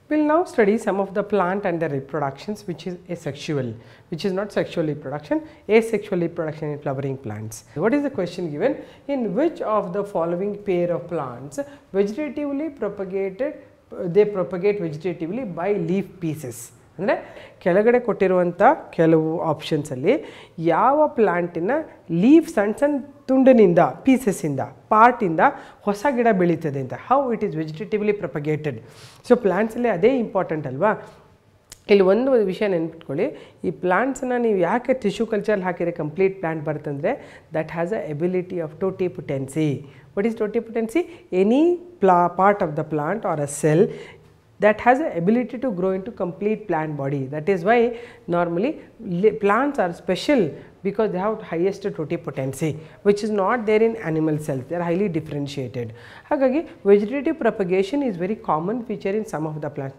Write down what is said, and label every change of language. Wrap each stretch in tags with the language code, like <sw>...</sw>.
<en>Now study some of the plant and the reproductions which is asexual, which is not sexual reproduction, asexual reproduction in flowering plants. What is the question given? In which of the following pair of plants vegetatively propagated, they propagate vegetatively by leaf pieces?</en> <kn>ಅಂದರೆ ಕೆಳಗಡೆ ಕೊಟ್ಟಿರುವಂಥ ಕೆಲವು ಆಪ್ಷನ್ಸಲ್ಲಿ ಯಾವ ಪ್ಲಾಂಟಿನ leaf ಸಣ್ಣ ಸಣ್ಣ ತುಂಡಿನಿಂದ, ಪೀಸಸ್ಸಿಂದ, ಪಾರ್ಟಿಂದ ಹೊಸ ಗಿಡ ಬೆಳೀತದೆ ಅಂತ.</kn> <en>How it is vegetatively propagated?</en> <kn>ಸೊ ಪ್ಲಾಂಟ್ಸಲ್ಲಿ ಅದೇ ಇಂಪಾರ್ಟೆಂಟ್ ಅಲ್ವಾ. ಇಲ್ಲಿ ಒಂದು ವಿಷಯ ನೆನ್ಪಿಟ್ಕೊಳ್ಳಿ, ಈ ಪ್ಲಾಂಟ್ಸನ್ನು ನೀವು ಯಾಕೆ ಟಿಶ್ಯೂ ಕಲ್ಚರಲ್ಲಿ ಹಾಕಿದರೆ complete plant ಬರುತ್ತಂದರೆ,</kn> <en>That has a ability of totipotency. What is totipotency?</en> <kn>Any part of the plant R a cell</kn> <en>that has the ability to grow into complete plant body. That is why normally plants are special because they have highest totipotency, which is not there in animal cells. They are highly differentiated.</en> <kn>Hagagi</kn> <en>vegetative propagation is very common feature in some of the plants.</en>